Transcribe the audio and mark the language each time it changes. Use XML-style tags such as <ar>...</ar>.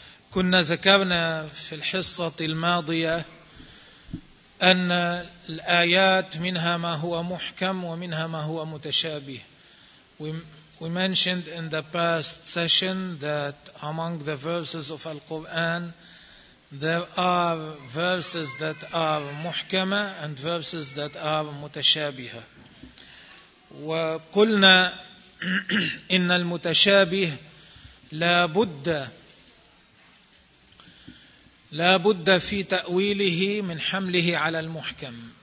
<ar>كنا ذكرنا في الحصة الماضية أن الآيات منها ما هو محكم ومنها ما هو متشابه.</ar> <en>We mentioned in the past session that among the verses of Al-Quran there are verses that are محكمة and verses that are متشابهة.</en> <ar>وقلنا إن المتشابه لا بد في تأويله من حمله على المحكم.</ar>